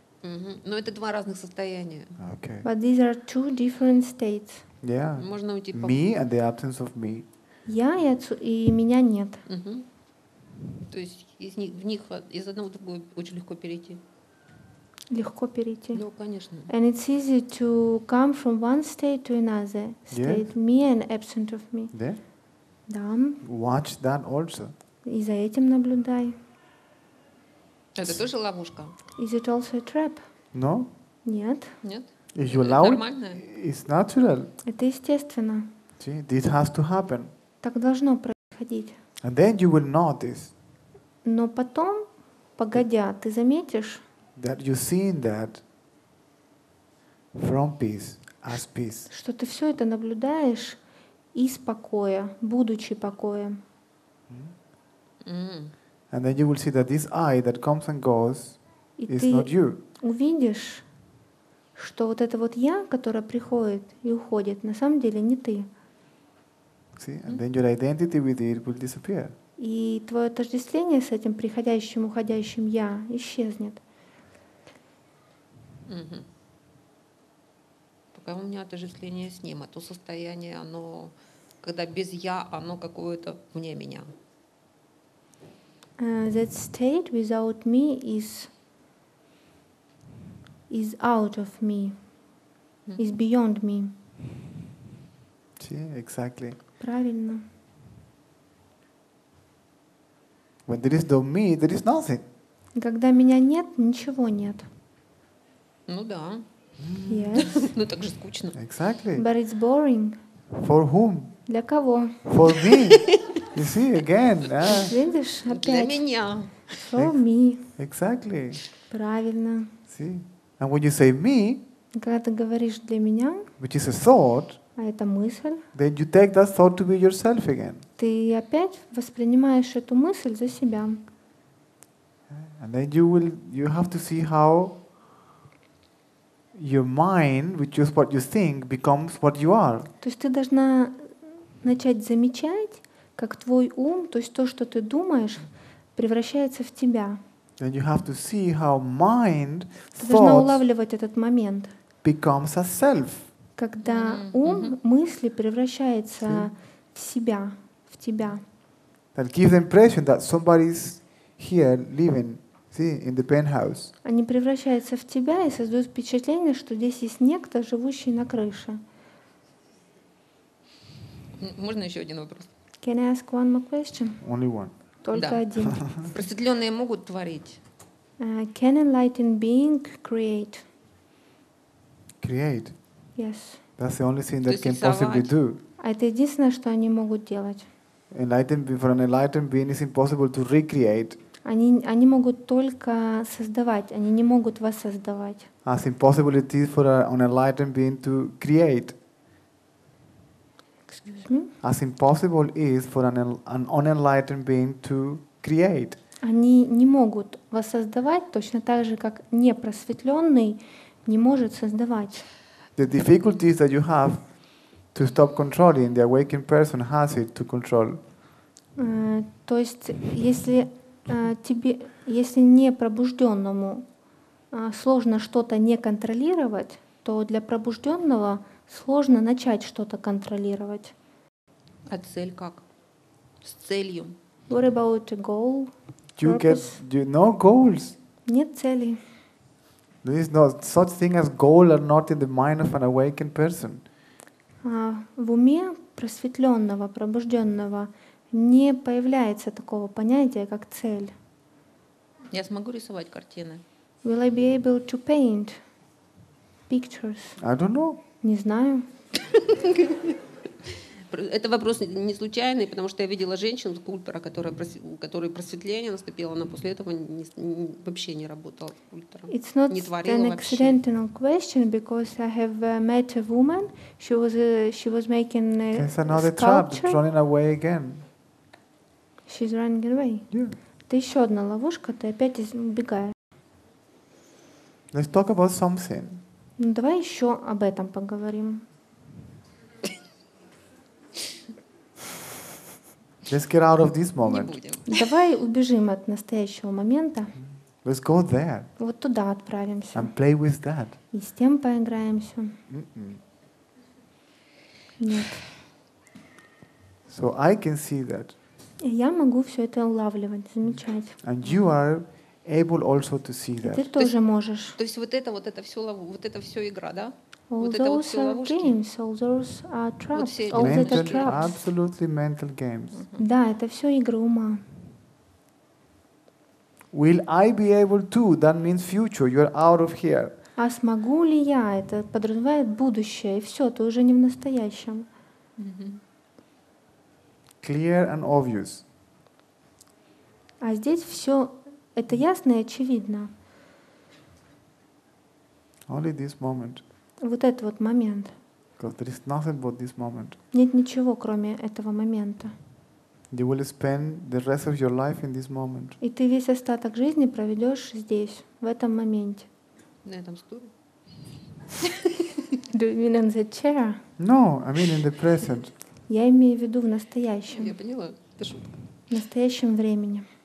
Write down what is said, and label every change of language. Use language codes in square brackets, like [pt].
[ru] Mm-hmm. Но это два разных состояния. [en] Okay. But these are two different states. Yeah. [ru] Можно уйти [en] по... Me and the absence of me. [ru] Я и, отцу... и меня нет. Mm-hmm. То есть из них, в них из одного в другое очень легко перейти. Легко перейти. Ну, конечно. [en] And it's easy to come from one state to another state. Yes. Me and absent of me. [ru] Да. Да. [en] Watch that also. [ru] И за этим наблюдай. Это тоже ловушка. [en] Is it also a trap? No. [ru] Нет. Нет. [en] Is you allow? [ru] Нормально. [en] It's natural. [ru] Это естественно. [en] See, this has to happen. [ru] Так должно происходить. [en] And then you will notice. [ru] Но потом, погодя, ты заметишь. [en] That you seeing that from peace as peace. [ru] Что ты все это наблюдаешь из покоя, будучи покоем. [en] And then you will see that this I that comes and goes is not you. [ru] Увидишь, что вот это вот я, которое приходит и уходит, на самом деле не ты. [en] See? And then your identity with it will disappear. [ru] И твое отождествление с этим приходящим, уходящим я исчезнет. Mm-hmm. Пока у меня отождествление с ним, а то состояние, оно, когда без я, оно какое-то вне меня. [en] That state without me is out of me, mm-hmm. is beyond me. See, exactly. [ru] Правильно. [en] When there is no me, there is nothing. [ru] Когда меня нет, ничего нет. Ну да. [en] Yes. [ru] Ну так же скучно. [en] Exactly. But it's boring. For whom? [ru] Для кого? [en] For me. You see again, yeah. [ru] Видишь, опять. Для меня. [en] For me. Exactly. [ru] Правильно. [en] See. And when you say me, [ru] когда ты говоришь для меня, [en] which is a thought. [ru] А это мысль. [en] Then you take that thought to be yourself again. [ru] Ты опять воспринимаешь эту мысль за себя. [en] And then you have to see how your mind, which is what you think, becomes what you are. [ru] То есть ты должна начать замечать, как твой ум, то есть то, что ты думаешь, превращается в тебя. [en] Then you have to see how mind, [ru] ты должна улавливать этот момент. [en] Becomes a self. [ru] Когда ум, мысли превращается в себя, в тебя. [en] That gives the impression that somebody's here living, see, in the penthouse. [ru] Они превращаются в тебя и создают впечатление, что здесь есть некто, живущий на крыше. Можно еще один вопрос? [en] Can I ask one more question? Only one. [ru] Только один. Просветленные могут творить? [en] Can enlightened being create? Create? Yes. That's the only thing that can possibly do. [ru] Это единственное, что они могут делать. [en] Enlightened, for an enlightened being, it's impossible to recreate. [ru] Они могут только создавать. Они не могут воссоздавать. [en] As impossible it is for an enlightened being to create. Excuse me. As impossible it is for an unenlightened being to create. [ru] Они не могут воссоздавать точно так же, как непросветленный не может создавать. [en] the difficulties that you have to stop controlling, the awakened person has it to control. [ru] То есть, если тебе, если не пробужденному сложно что-то не контролировать, то для пробужденного сложно начать что-то контролировать. А цель как? С целью. [en] What about a goal? Do you get, do you know goals? [ru] Нет цели. [en] There is no such thing as goal or not in the mind of an awakened person. [ru] В уме просветленного, пробужденного не появляется такого понятия, как цель. Я смогу рисовать картины? [en] Will I be able to paint pictures? I don't know. [ru] Не знаю. Это вопрос не случайный, потому что я видела женщину, скульптора, которая, у которой просветление наступило, она после этого не, вообще не работала скульптором. [en] It's not an accidental question, because I have met a woman. She was making a sculpture. It's another trap, running away again. She's running away. Yeah. [ru] Это еще одна ловушка, ты опять убегаешь. [en] Let's talk about something. [ru] Ну, давай еще об этом поговорим. [en] Let's get out of this moment. [ru] Давай убежим от настоящего момента. [en] Let's go there. [ru] Вот туда отправимся. [en] And play with that. [ru] И с тем поиграемся. Mm-mm. Нет. [en] So I can see that. [ru] И я могу все это улавливать, замечать. [en] And you are able also to see that. [ru] И ты тоже можешь. То есть вот это все ловушка, вот это все игра, да? [en] All [ru] вот это вот все [en] are [ru] ловушки. [en] Games, all those are traps. Вот all mental, that are traps. Absolutely mental games. [ru] Uh-huh. Да, это все игры ума. [en] Will I be able to? That means future. You're out of here. [ru] А смогу ли я? Это подразумевает будущее. И все, ты уже не в настоящем. Uh-huh. [en] Clear and obvious. [ru] А здесь все это ясно и очевидно. [en] Only this moment. [ru] Вот этот вот момент. [en] Because there is nothing but this moment. [ru] Нет ничего, кроме этого момента. [en] You will spend the rest of your life in this moment. [ru] И ты весь остаток жизни проведешь здесь, в этом моменте. На этом стуле. [en] Do you mean in the chair? No, I mean in the present. [ru] Я имею в виду в настоящем. Я поняла, это шутка. В настоящем времени.